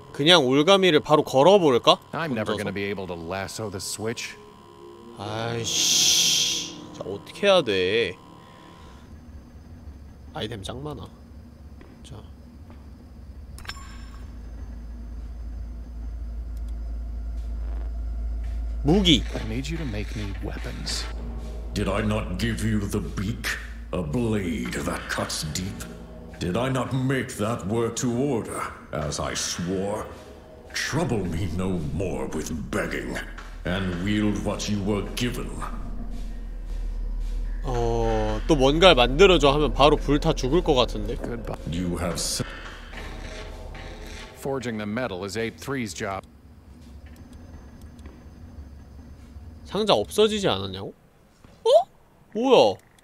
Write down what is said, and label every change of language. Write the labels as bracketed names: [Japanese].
[Korean] 그냥 올가미를 바로 걸어볼까? 혼자서. [English] I'm never gonna be able to lasso the switch. [Korean] 아이씨. 자, 어떻게 해야 돼? 아이템 짱 많아. 자. 무기. [English] I need you to make me weapons. Did I not give you the beak? A blade that cuts deep? Did I not make that work to order, as I swore? Trouble me no more with begging, and wield what you were given. [Korean] 또 뭔가를 만들어줘 하면 바로 불타 죽을 것 같은데? [English] You have forging the metal is Ape 3's job. [Korean] 상자 없어지지 않았냐고? 어? 뭐야?